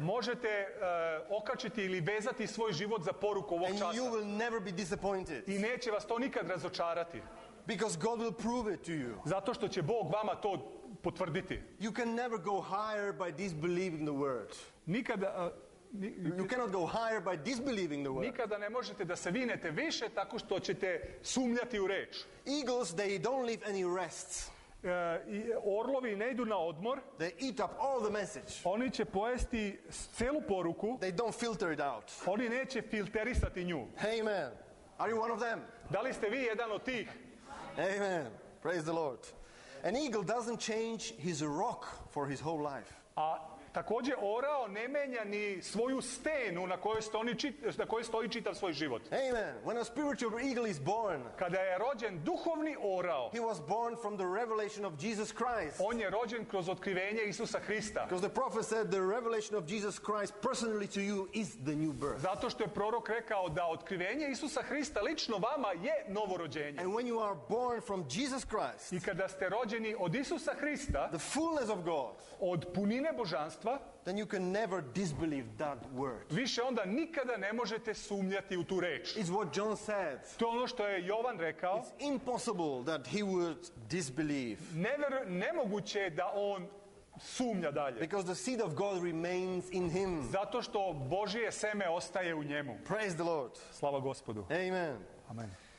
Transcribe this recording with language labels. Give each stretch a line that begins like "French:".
Serbian: Možete okačiti ili vezati svoj život za poruku ovog časa.
English: And you will never be disappointed.
Serbian: I neće vas to nikad razočarati.
English: Because God will prove it to you.
Serbian: Zato što će Bog vama to potvrditi.
English: You can never go higher by disbelieving the word.
Serbian: Nikada
English: you cannot go higher by disbelieving the word.
Serbian: Nikada ne možete da se vinete više tako što ćete sumnjati u reč.
English: Eagles, they don't leave any rest.
Serbian: Orlovi ne idu na odmor.
English: They eat up all the message.
Serbian: Oni će pojesti celu poruku.
English: They don't filter it out.
Serbian: Oni neće filterisati nju.
English: Amen. Are you one of them?
Serbian: Da li ste vi jedan od tih?
English: Amen. Praise the Lord. An eagle doesn't change his rock for his whole life.
Serbian: A također orao ne menja ni svoju stenu na kojoj stoji čitav svoj život.
English: Amen. When a spiritual eagle is born,
Serbian: kada je rođen duhovni orao,
English: he was born from the revelation of Jesus Christ.
Serbian: On je rođen kroz otkrivenje Isusa Hrista.
English: Because the prophet said the revelation of Jesus Christ personally to you is the new birth.
Serbian: Zato što je prorok rekao da otkrivenje Isusa Hrista lično vama je novorođenje.
English: And when you are born from Jesus Christ,
Serbian: i kada ste rođeni od Isusa Hrista,
English: the fullness of God,
Serbian: od punine božanstva, božanstva,
English: then you can never disbelieve that word.
Serbian: Više onda nikada ne možete sumnjati u tu reč.
English: It's what John said.
Serbian: To je ono što je Jovan rekao.
English: It's impossible that he would disbelieve. Never,
Serbian: nemoguće je da on sumnja dalje.
English: Because the seed of God remains in him.
Serbian: Zato što Božje seme ostaje u njemu.
English: Praise the Lord.
Serbian: Slava Gospodu.
English: Amen. Amen.